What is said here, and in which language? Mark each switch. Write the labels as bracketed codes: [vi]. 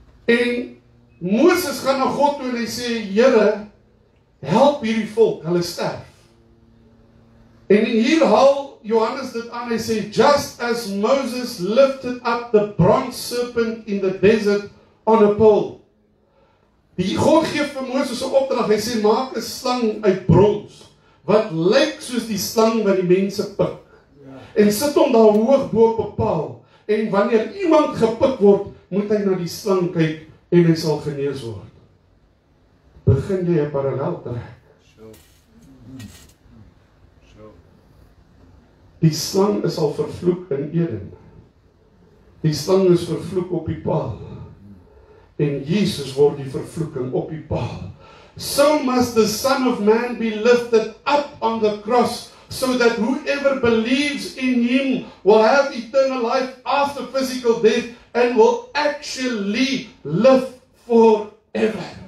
[af] En Moses gaan na God toe en hy sê, Here, help hierdie volk, hulle sterf. En hier haal Johannes dit aan, hy sê, [en] just as Moses lifted up the bronze serpent in the desert on a pole. [af] Die God geef vir Moses een opdracht, hy sê, maak een slang uit brons. Wat lyk soos die slang wat die mense pik. En sit hom daar hoog bo op 'n paal. En wanneer iemand gepik word, moet hy na die slang kyk en hy sal genees word. Begin jy 'n parallel trek. Die slang is al vervloek in Eden. Die slang is vervloek op die paal. En Jesus word die vervloeking op die paal. [en] So must the Son of Man be lifted up on the cross, so that whoever believes in him will have eternal life after physical death and will actually live forever.